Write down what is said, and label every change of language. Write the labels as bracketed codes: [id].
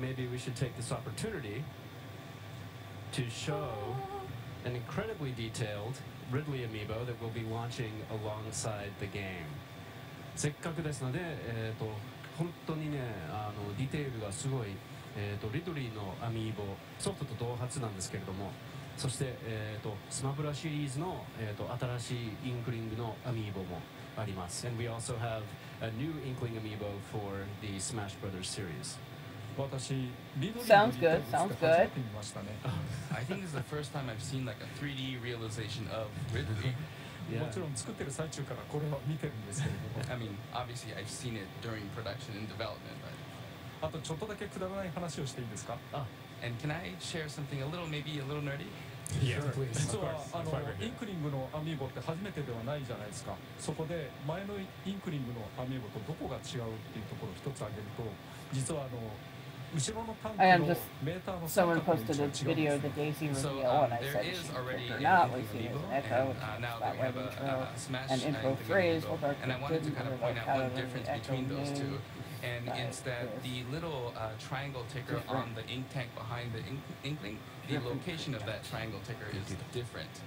[en] maybe we should take this opportunity to show an incredibly detailed Ridley amiibo that we'll be launching alongside the game. [ja] 本当にね、あのディテールがすごい、リドリーのアミーボソフトと同発なんですけれども、そして、スマブラシリーズの、新しいインクリングのアミーボもあります。 [en] And we also have a new inkling amiibo for the Smash Brothers series. [ja] 私、リドリーのディテールを初めて見ましたね。 [en] I think this is the first time I've seen like a 3D realization of Ridley. Yeah. [ja] もちろん作ってる最中からこれは見てるんですけれども。 [en] I mean, obviously I've seen it during production and development, but... [ja] あとちょっとだけくだらない話をしていいですか？ [en] And can I share something a little, maybe a little nerdy? Yeah, please. [ja] 実はあのインクリングのアミーボって初めてではないじゃないですか。そこで前のインクリングのアミーボとどこが違うっていうところを一つ挙げると、実はあの後ろのタンクのメーターの三角形が違うんですね。 [en] So, there is already an inkling amiibo, and now that we have a Smash and Inkling amiibo, and I wanted to kind of point out one difference between those two. And it's that the little triangle ticker on the ink tank behind the inkling, the location of that triangle ticker is different.